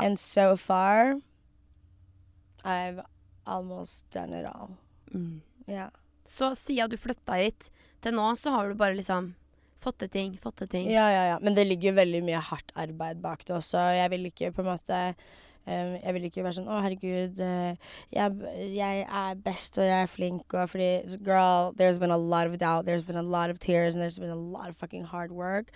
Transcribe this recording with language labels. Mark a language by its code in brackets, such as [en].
[en] And so far, I've almost done it all. Mm. Yeah. [no] Så siden du flyttet hit, til nå så har du bare liksom fått det ting. Ja, ja, ja. Men det ligger jo veldig mye hardt arbeid bak det også. Jeg vil ikke på en måte, jeg vil ikke være sånn, å herregud, jeg er best og jeg er flink. Og fordi, [en] girl, there's been a lot of doubt, there's been a lot of tears, and there's been a lot of fucking hard work.